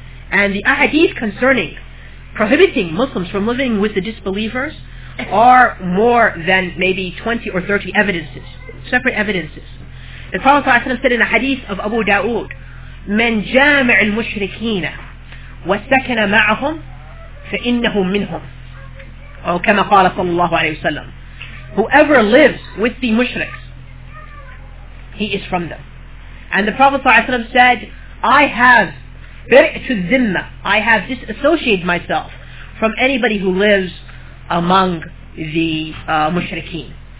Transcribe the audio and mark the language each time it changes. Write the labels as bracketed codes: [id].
[en] And the ahadith concerning prohibiting Muslims from living with the disbelievers are more than maybe 20 or 30 evidences, separate evidences. The Prophet ﷺ said in a hadith of Abu Dawood, [ar] من جامع المشركين وسكن معهم فإنهم منهم. Oh, كما قال صلى الله عليه وسلم. [en] Whoever lives with the mushriks, he is from them. And the Prophet صلى الله عليه وسلم said, I have [ar] بِرْئْتُ الذِّمَّ [en] I have disassociated myself from anybody who lives among the mushrikeen.